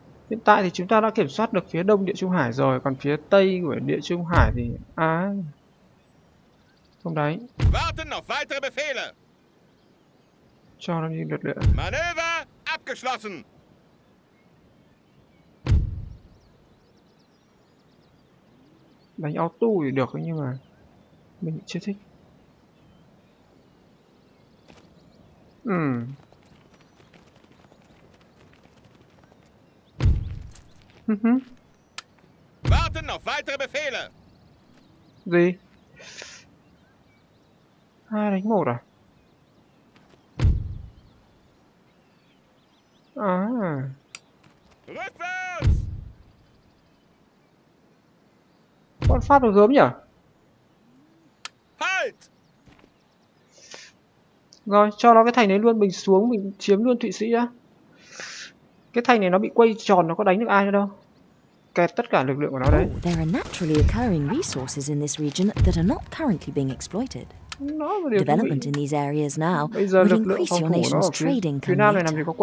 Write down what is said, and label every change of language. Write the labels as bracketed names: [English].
[Vietnamese] Hiện tại thì chúng ta đã kiểm soát được phía đông Địa Trung Hải rồi, còn phía tây của Địa Trung Hải thì... À... Không đấy. [German] Warten auf weitere Befehle. [Vietnamese] Cho nó đi lượt lượt. [German] Manöver abgeschlossen. [Vietnamese] Đánh auto thì được nhưng mà... Mình chưa thích. [German] Warten auf weitere Befehle. [Vietnamese] Gì? 2-1 à? À. [German] Rückwärts. [Vietnamese] Con Pháp nó gớm nhỉ? [German] Halt. [Vietnamese] Rồi, cho nó cái thành đấy luôn, mình xuống mình chiếm luôn Thụy Sĩ á. Cái thanh này nó bị quay tròn, nó có đánh được ai nữa đâu. Kẹt tất cả lực lượng của nó đấy. [English] There are naturally occurring resources in this region that are not currently being exploited. Development in these areas now would increase your nation's trading capacity.